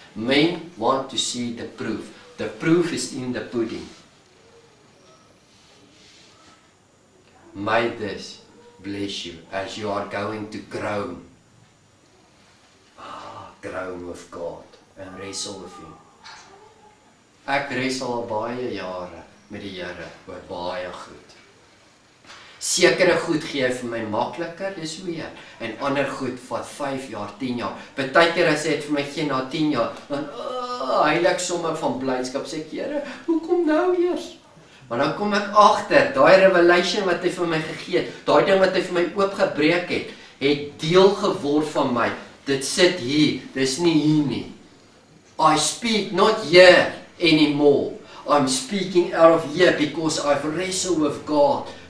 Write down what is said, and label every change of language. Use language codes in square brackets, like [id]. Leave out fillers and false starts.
[en] Men want to see the proof. The proof is in the pudding. May this bless you as you are going to groan. Groan with God and wrestle with Him. [af] Ek wrestle al baie jare met die Here oor baie goed. Sekere goed gee vir my makliker, dis weer. En ander goed vat 5 jaar, 10 jaar. Partykeer as dit vir my gee na 10 jaar, dan heilig sommer van blydskap sê ek, Here, hoekom nou eers? Maar dan kom ek agter, daai revelation wat hy vir my gegee het, daai ding wat hy vir my oopgebreek het, het deel geword van my. Dit sit hier, dis nie hier nie. [en] I speak not here anymore. I'm speaking out of here because I've wrestled with God.